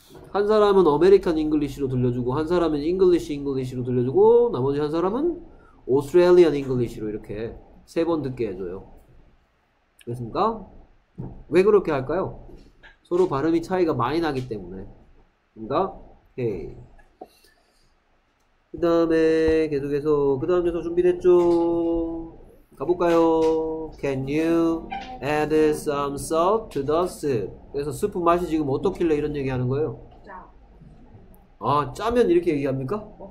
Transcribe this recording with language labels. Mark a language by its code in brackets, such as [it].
[ko] 한 사람은 아메리칸 잉글리시로 들려주고 한 사람은 잉글리시 잉글리시로 들려주고 나머지 한 사람은 Australian English로 이렇게 세번 듣게 해줘요. 그렇습니까? 왜 그렇게 할까요? 서로 발음이 차이가 많이 나기 때문에. 그렇습니까? 오케이. 그 다음에 계속해서, 그 다음에서 준비됐죠? 가볼까요? [en] Can you add some salt to the soup? [ko] 그래서 스프 맛이 지금 어떻길래 이런 얘기 하는 거예요? 아, 짜면 이렇게 얘기합니까?